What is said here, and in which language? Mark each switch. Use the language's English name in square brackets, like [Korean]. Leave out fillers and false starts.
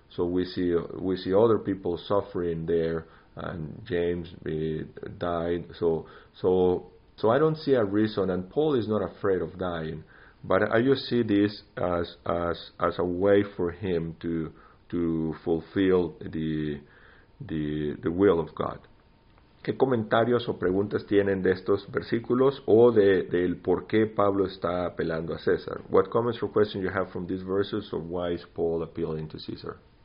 [English] So we see other people suffering there, and James died. So I don't see a reason, and Paul is not afraid of dying. But I just see this as a way for him to fulfill the will of God. [Spanish] ¿Qué comentarios o preguntas tienen de estos versículos o del por qué Pablo está apelando a César? [English] What comments or questions you have from these verses, or why is Paul appealing to Caesar?